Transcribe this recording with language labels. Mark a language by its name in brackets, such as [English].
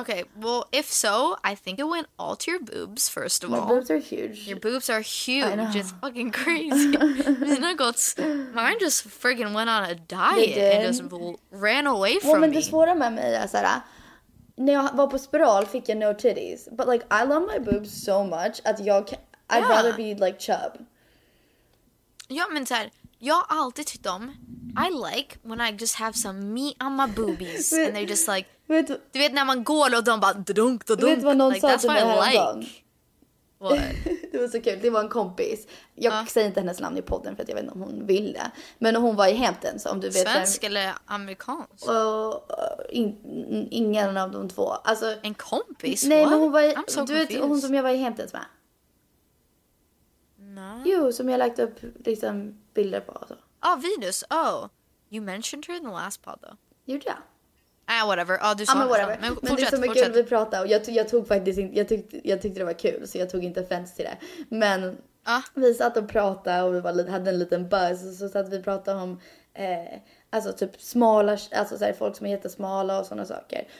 [English] Okay, well, if so, I think it went all to your boobs, first of all. My boobs are huge. Your boobs are huge. I know. It's fucking crazy. Mina got, mine just friggin' went on a diet. They did. And just ran away from me. [Swedish] Men det svåra med mig är såhär, när jag var på spiral fick jag [English] no titties. But like, I love my boobs so much [Swedish] att jag [English] I'd rather be like chub. [Swedish] Ja, men såhär, jag har alltid tyckt om, [English] I like when I just have some meat on my boobies. And they're just like, [Swedish] du vet när man går och de bara dunk, dunk. Vet vad någon sa till mig här en gång? [English] What? [Swedish] Det var så kul, det var en kompis. Jag säger inte hennes namn i podden för att jag vet inte om hon vill det. Men hon var i Hamptons, om du vet. Svensk eller amerikansk? Ingen av de två. Alltså, en kompis? Nej, men hon var i, I'm so du confused. Vet hon som jag var i Hamptons med? [English] No. [Swedish] Jo, som jag lagt upp liksom bilder på och så. [English] Oh, Venus. Oh, you mentioned her in the last pod though. [Swedish] Gjorde jag? [English] Whatever. Oh, [Swedish] du sa men whatever. Men det är så mycket vi pratar. Jag tog faktiskt inte, jag tyckte det var kul, så jag tog inte offense till det. Men vi satt och pratade och vi var, hade en liten buzz. Och så satt vi och pratade om alltså typ smala, alltså så här, folk som är jättesmala och såna saker.